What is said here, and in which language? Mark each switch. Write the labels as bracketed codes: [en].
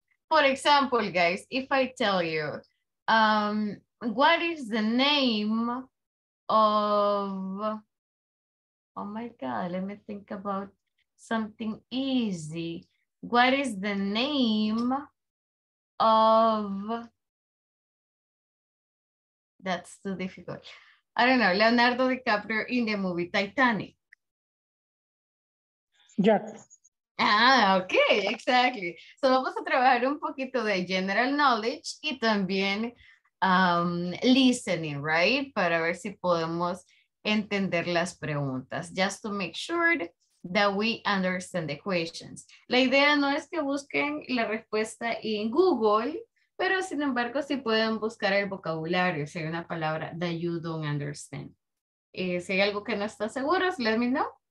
[en] For example, guys, if I tell you, what is the name of, oh my God, let me think about something easy. What is the name of, that's too difficult. I don't know, Leonardo DiCaprio in the movie Titanic. Jack. Ah, okay, exactly. [es] So vamos a trabajar un poquito de general knowledge y también listening, right? Para ver si podemos entender las preguntas. [en] Just to make sure that we understand the questions. [es] La idea no es que busquen la respuesta en Google, pero sin embargo si pueden buscar el vocabulario, si hay una palabra [en] that you don't understand. [es] Si hay algo que no está seguro, [en] let me know.